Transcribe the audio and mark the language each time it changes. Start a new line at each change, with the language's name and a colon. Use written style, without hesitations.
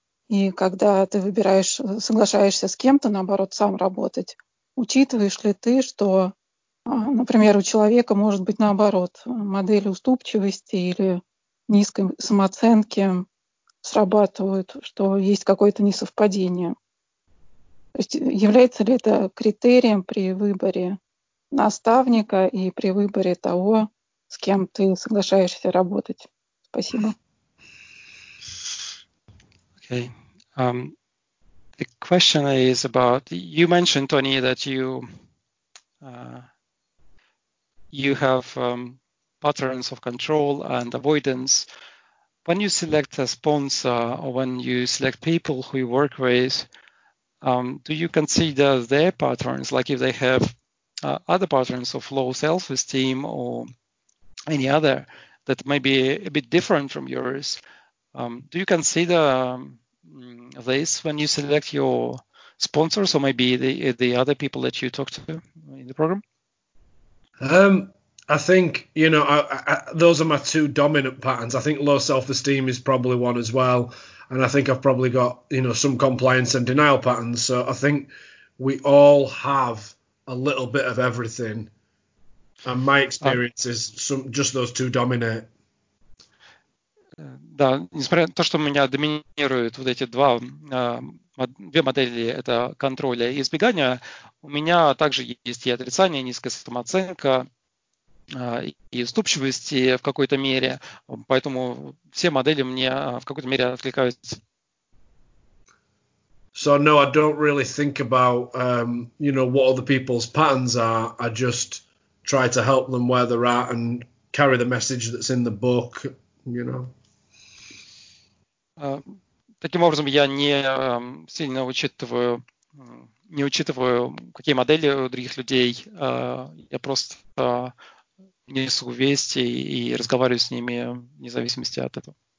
Russian: И когда ты выбираешь, соглашаешься с кем-то, наоборот, сам работать, учитываешь ли ты, что, например, у человека может быть наоборот, модели уступчивости или низкой самооценки срабатывают, что есть какое-то несовпадение? То есть является ли это критерием при выборе наставника и при выборе того, с кем ты соглашаешься работать? Спасибо.
English: Okay. The question is about, you mentioned, Tony, that you have patterns of control and avoidance. When you select a sponsor or when you select people who you work with, do you consider their patterns, like if they have other patterns of low self-esteem or any other that may be a bit different from yours? Do you consider this when you select your sponsors or maybe the other people that you talk to in the program? I think, you know, I those are my two dominant patterns. I think low self-esteem is probably one as well, and I think I've probably got, you know, some compliance and denial patterns. So I think we all have a little bit of everything, and my experience is some just those two dominate.
Russian: Да, несмотря на то, что у меня доминируют вот эти две модели, это контроля и избегания, у меня также есть и отрицание, низкая самооценка, и уступчивость в какой-то мере. Поэтому все модели мне в какой-то мере откликаются.
English: So no, I don't really think about, you know, what other people's patterns are. I just try to help them where they're at and carry the message that's in the book, you know.
Russian: Таким образом, я не сильно учитываю, не учитываю, какие модели у других людей. Я просто несу вести и разговариваю с ними вне зависимости от этого.